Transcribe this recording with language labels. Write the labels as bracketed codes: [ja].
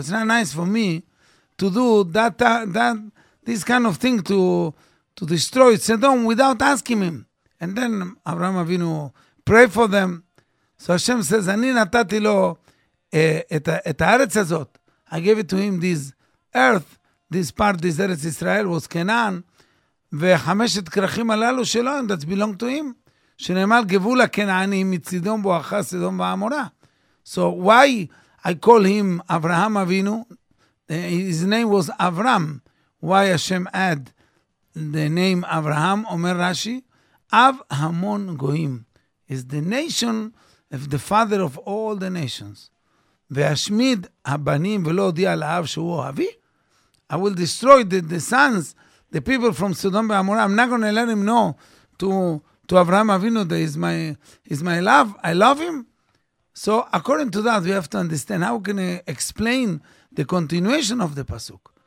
[en] It's not nice for me to do this kind of thing to destroy Sodom without asking him. And then Avraham Avinu pray for them. So Hashem says, [he] "Ani natati lo et haaretz hazot." [en] I gave it to him this earth, this part, this Eretz Israel was Canaan. [he] וחמשת כרכים הללו שלו, [en] and that's belong to him, [he] שנאמר גבול הקנעני מצידום בו אחר סדום ועמורה. [en] So why I call him Avraham Avinu? His name was Avram. Why Hashem add the name Avraham, [he] אומר רשי, אב המון גויים, [en] is the nation, of the father of all the nations. [he] והשמיד הבנים ולא הודיע לאב שהוא אבי? [en] I will destroy the sons, the people from Sodom and Amorah. I'm not going to let him know to Avraham Avinu that is my love. I love him. So according to that, we have to understand how can I explain the continuation of the Pasuk.